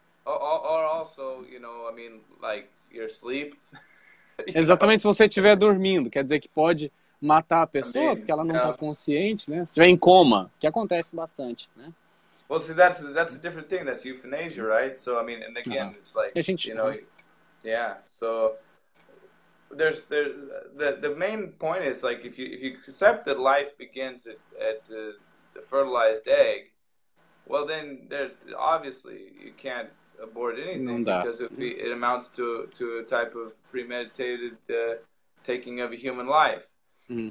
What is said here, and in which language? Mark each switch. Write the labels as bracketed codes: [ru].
[en] Or also, you know, I mean, like, your sleep. [pt] Exatamente, se você estiver dormindo, quer dizer que pode matar a pessoa, [en] I mean, [pt] porque ela não está consciente, né? Se estiver em coma, que acontece bastante, né? [en] Well, see, that's a different thing. That's euthanasia, right? So, I mean, and again, it's like, you know, yeah. So, the main point is, like, if you accept that life begins at the fertilized egg, well, then there obviously you can't abort anything because it amounts to a type of premeditated taking of a human life. Mm.